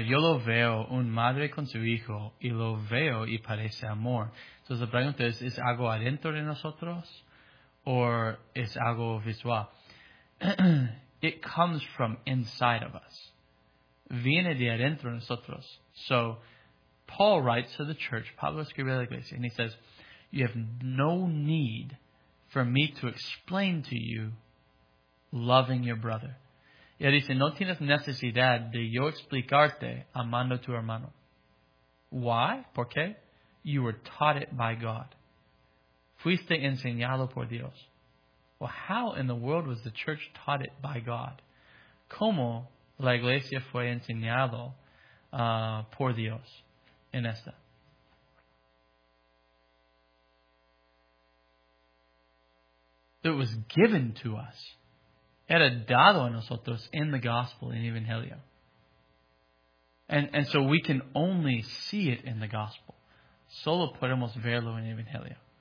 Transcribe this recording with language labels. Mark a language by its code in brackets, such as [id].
[es] Yo lo veo un madre con su hijo y lo veo y parece amor. Entonces la pregunta es algo adentro de nosotros o es algo visual? [en] It comes from inside of us. [es] Viene de adentro de nosotros. [en] So Paul writes to the church, [es] Pablo escribe a la iglesia, [en] and he says, you have no need for me to explain to you loving your brother. [es] Y él dice, no tienes necesidad de yo explicarte amando a tu hermano. [en] Why? [es] ¿Por qué? [en] You were taught it by God. [es] Fuiste enseñado por Dios. [en] Well, how in the world was the church taught it by God? [es] ¿Cómo la iglesia fue enseñado por Dios? En esta. [en] It was given to us. [es] Era dado a nosotros [en] in the gospel, in Evangelio. And so we can only see it in the gospel. [es] Solo podemos verlo en Evangelio.